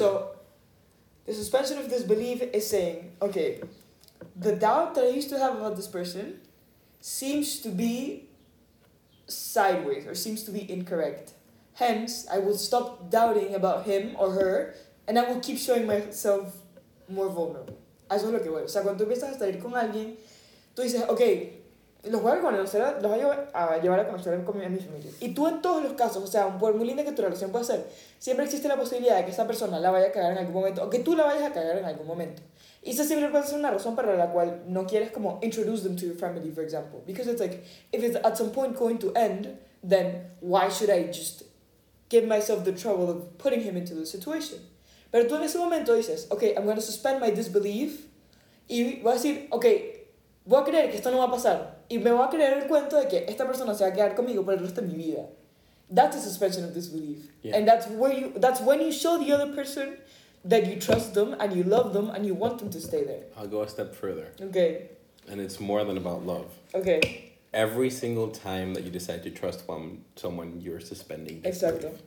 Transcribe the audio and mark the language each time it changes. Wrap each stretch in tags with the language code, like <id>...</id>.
<en>So the suspension of disbelief is saying, okay, the doubt that I used to have about this person seems to be sideways or seems to be incorrect. Hence, I will stop doubting about him or her and I will keep showing myself more vulnerable.</en> <es>Eso es lo que voy. O sea, cuando tú empiezas a salir con alguien, tú dices, ok, los voy a conocer, los voy a llevar a conocer a mi familia. Y tú en todos los casos, o sea, por muy linda que tu relación pueda ser, siempre existe la posibilidad de que esa persona la vaya a cagar en algún momento o que tú la vayas a cagar en algún momento. Y esa siempre puede ser una razón para la cual no quieres como</es> <en>introduce them to your family, for example.</en> <es>Because it's like, if it's at some point going to end, then why should I just give myself the trouble of putting him into the situation? Pero tú en ese momento dices,</es> <en>okay, I'm going to suspend my disbelief.</en> <es>Y voy a decir, okay, voy a creer que esto no va a pasar. Y me voy a creer el cuento de que esta persona se va a quedar conmigo por el resto de mi vida.</es> <en>That's a suspension of disbelief. Yeah. And that's where you, that's when you show the other person that you trust them and you love them and you want them to stay there. I'll go a step further. Okay. And it's more than about love. Okay. Every single time that you decide to trust someone, you're suspending disbelief.</en>